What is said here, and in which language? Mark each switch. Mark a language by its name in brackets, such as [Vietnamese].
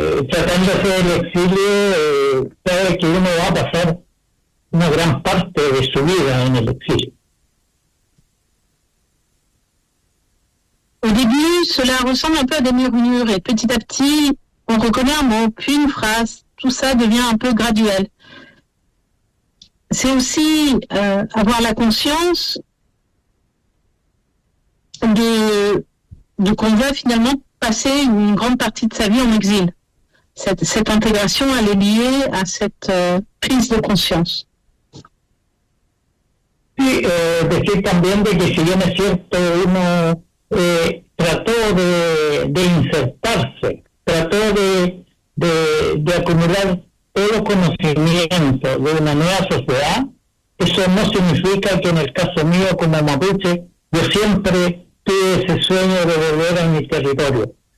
[Spanish] tratándose del exilio, sabe que uno va a pasar una gran parte de su vida en el exilio. [French] Au début, cela ressemble un peu à des murmures, et petit à petit, on reconnaît un mot, puis une phrase, tout ça devient un peu graduel. C'est aussi avoir la conscience de qu'on va finalement passer une grande partie de sa vie en exil. Cette intégration, elle est liée à cette prise de conscience. [Spanish] Sí, decir también de que si bien es cierto, uno trató de insertarse, trató de acumular todo conocimiento de una nueva sociedad, eso no significa que en el caso mío como mapuche, yo siempre tuve ese sueño de volver a mi territorio.